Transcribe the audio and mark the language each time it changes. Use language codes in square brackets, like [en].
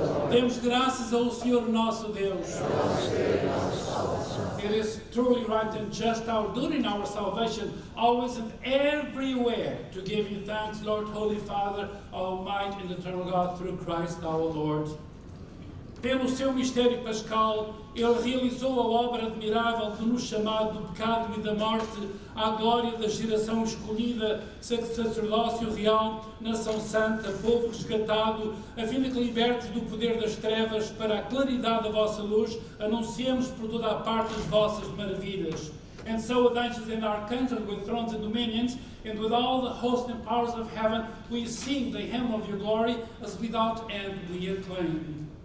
[pt] Demos graças ao Senhor nosso Deus. [en] It is truly right and just our duty and our salvation, always and everywhere, to give you thanks, Lord, Holy Father, Almighty and Eternal God, through Christ our Lord. [pt] Pelo seu mistério pascal, Ele realizou a obra admirável de nos chamar do pecado e da morte à glória da geração escolhida, sacerdócio real, nação santa, povo resgatado, a fim de que libertes do poder das trevas para a claridade da vossa luz, anunciemos por toda a parte as vossas maravilhas. [en] And so with angels and archangels, with thrones and dominions, and with all the hosts and powers of heaven, we sing the hymn of your glory as without end we acclaim.